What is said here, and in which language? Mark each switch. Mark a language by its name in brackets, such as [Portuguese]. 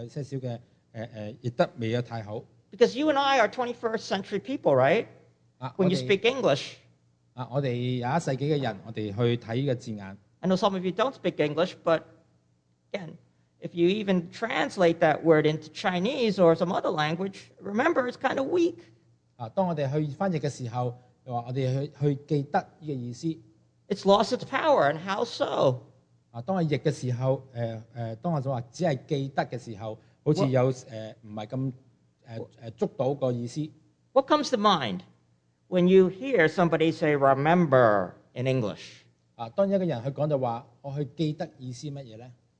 [Chinese] 在英文字眼翻譯的時候,記得這個字眼有些少的,也未太好。 [English] Because you and I are 21st century people, right? When you speak English. [Chinese] 我們21世紀的人,我們去看這個字眼。 [English] I know some of you don't speak English, but again, if you even translate that word into Chinese or some other language, remember it's kind of weak. [Chinese] 當我們去翻譯的時候,我們去記得這個意思。 [English] It's lost its power, and how so? [Chinese] 當我譯的時候,當我只是記得的時候,好像不太捉到意思。 [English] What comes to mind when you hear somebody say remember in English? [Chinese] 當一個人說,我去記得意思是什麼呢?